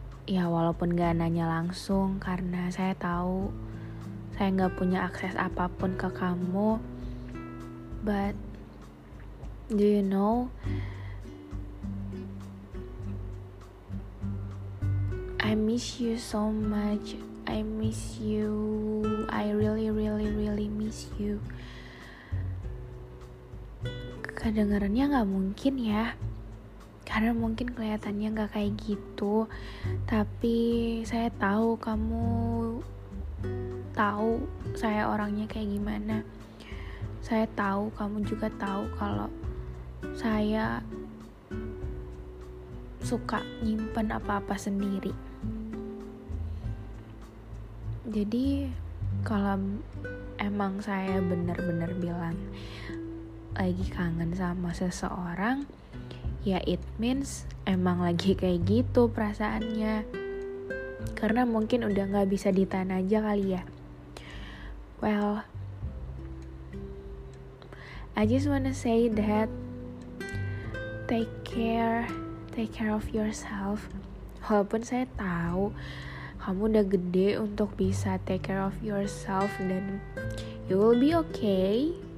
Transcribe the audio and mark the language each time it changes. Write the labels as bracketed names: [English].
[Indonesian] Ya walaupun gak nanya langsung, karena saya tahu saya gak punya akses apapun ke kamu. [English] But do you know, I miss you so much. I miss you. I really really really miss you. [Indonesian] Kedengarannya gak mungkin ya, karena mungkin kelihatannya gak kayak gitu, tapi saya tahu kamu tahu saya orangnya kayak gimana. Saya tahu kamu juga tahu kalau saya suka nyimpen apa-apa sendiri. Jadi kalau emang saya benar-benar bilang lagi kangen sama seseorang, ya [English] it means [Indonesian] emang lagi kayak gitu perasaannya. Karena mungkin udah gak bisa ditahan aja kali ya. [English] Well, I just wanna say that Take care of yourself. [Indonesian] Walaupun saya tahu kamu udah gede untuk bisa [English] take care of yourself, [Indonesian] dan [English] you will be okay.